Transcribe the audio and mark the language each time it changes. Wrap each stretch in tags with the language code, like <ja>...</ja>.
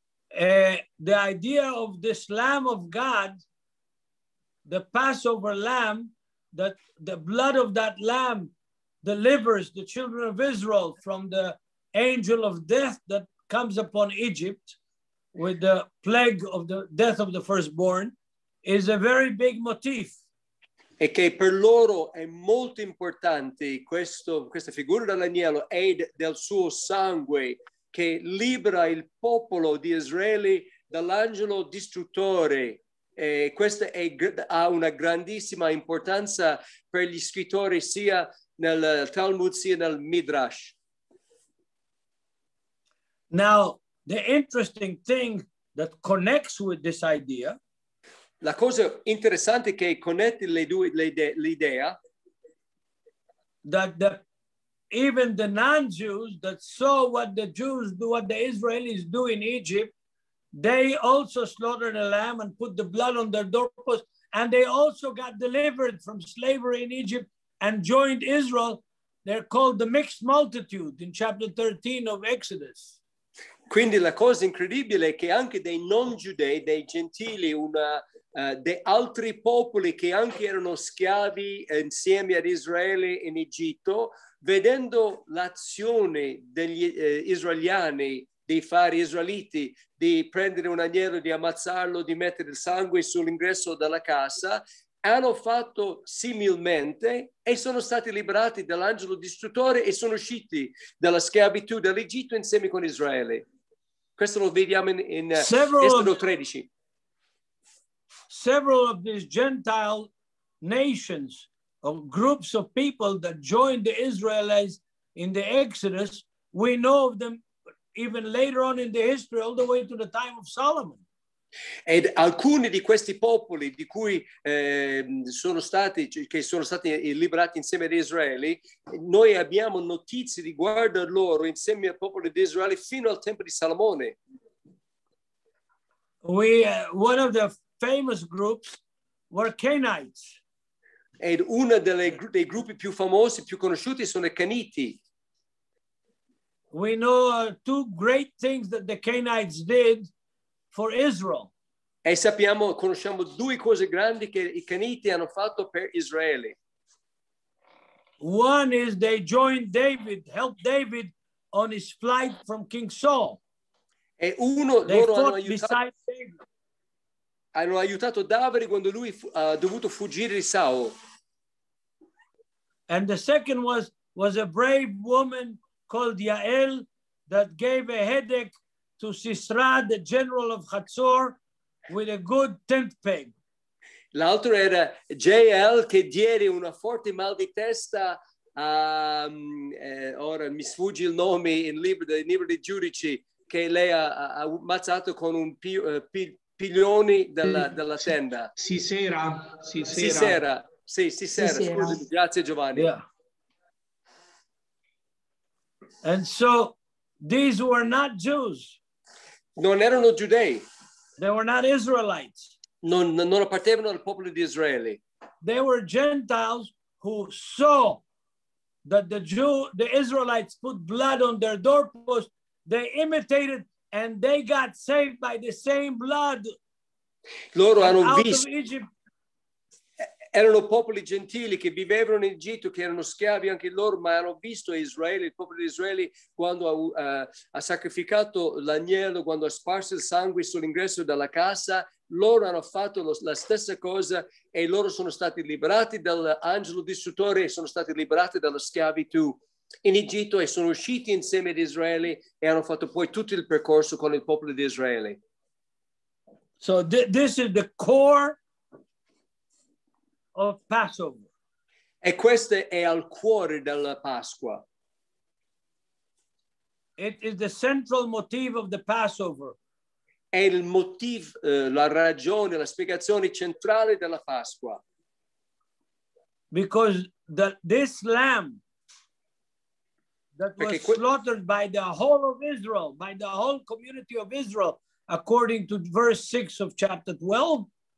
<en>the idea of this Lamb of God, the Passover Lamb, that the blood of that Lamb delivers the children of Israel from the angel of death that comes upon Egypt with the plague of the death of the firstborn, is a very big motif.</en> <it>E che per loro è molto importante questa figura dell'agnello e del suo sangue che libera il popolo di Israele dall'angelo distruttore. E questa ha una grandissima importanza per gli scrittori sia nel Talmud sia nel Midrash.</it> <en>Now, the interesting thing that connects with this idea,</en> <it>la cosa interessante che connette le due, l'idea,</it> <en>that even the non-Jews that saw what the Jews do, what the Israelis do in Egypt, they also slaughtered a lamb and put the blood on their doorpost, and they also got delivered from slavery in Egypt and joined Israel. They're called the mixed multitude in chapter 13 of Exodus.</en> <it>Quindi la cosa incredibile è che anche dei non-Giudei, dei gentili, dei altri popoli che anche erano schiavi insieme ad Israele in Egitto, vedendo l'azione degli israeliani di fare israeliti, di prendere un agnello, di ammazzarlo, di mettere il sangue sull'ingresso della casa, hanno fatto similmente e sono stati liberati dall'angelo distruttore e sono usciti dalla schiavitù dell'Egitto insieme con Israele. Questo lo vediamo in Esodo 13.</it> <en>Several of these Gentile nations or groups of people that joined the Israelites in the Exodus, we know of them even later on in the history, all the way to the time of Solomon.</en> <it>Ed alcuni di questi popoli di cui sono stati, che sono stati liberati insieme ad Israele, noi abbiamo notizie riguardo a loro insieme al popolo di Israele fino al tempo di Salomone.</it> <en>One of the famous groups were Canaanites.</en> <it>Ed uno dei gruppi più famosi, più conosciuti, sono i Caniti.</it> <en>We know two great things that the Canaanites did for Israel.</en> <it>E sappiamo, conosciamo due cose grandi che i Caniti hanno fatto per Israele.</it> <en>One is they joined David, helped David on his flight from King Saul.</en> <it>E uno</it> <en>they</en> <it>loro hanno aiutato Davide quando lui ha dovuto fuggire di Saul.</it> <en>And the second was a brave woman called Yael that gave a headache to Sisra, the general of Hazor, with a good tent peg.</en> <it>L'altro era Jael che diede una forte mal di testa a ora mi sfugge il nome in libro dei giudici che lei ha ammazzato con un piglione della tenda. Sisera. Grazie Giovanni.</it> <en>Yeah. And so these were not Jews.</en> <it>Non erano giudei.</it> <en>They were not Israelites.</en> <it>Non appartenevano al popolo di Israele.</it> <en>They were Gentiles who saw that the Israelites put blood on their doorposts. They imitated and they got saved by the same blood.</en> <it>Loro hanno visto. Erano popoli gentili che vivevano in Egitto, che erano schiavi anche loro, ma hanno visto Israele, il popolo di Israele, quando ha sacrificato l'agnello, quando ha sparso il sangue sull'ingresso della casa, loro hanno fatto la stessa cosa e loro sono stati liberati dall'angelo distruttore e sono stati liberati dalla schiavitù in Egitto e sono usciti insieme ad Israele e hanno fatto poi tutto il percorso con il popolo di Israele.</it> <en>So this is the core of Passover.</en> <it>E questo è al cuore della Pasqua.</it> <en>It is the central motive of the Passover.</en> <it>È il motivo, la ragione, la spiegazione centrale della Pasqua.</it> <en>Because this lamb that was slaughtered by the whole of Israel, by the whole community of Israel, according to verse 6 of chapter 12,</en>